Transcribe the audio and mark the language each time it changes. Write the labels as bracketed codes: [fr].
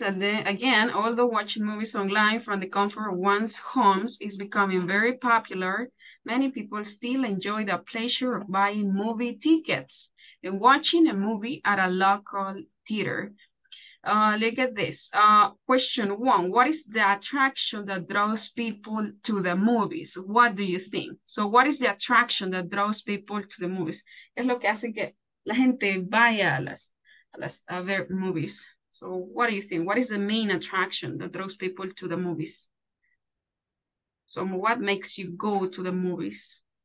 [en] And then again, although watching movies online from the comfort of one's homes is becoming very popular, many people still enjoy the pleasure of buying movie tickets and watching a movie at a local theater. Look at this. Question one, what is the attraction that draws people to the movies? What do you think? So what is the attraction that draws people to the movies? [es] Es lo que hace que la gente vaya a ver movies. [en] So what do you think? What is the main attraction that draws people to the movies? So what makes you go to the movies?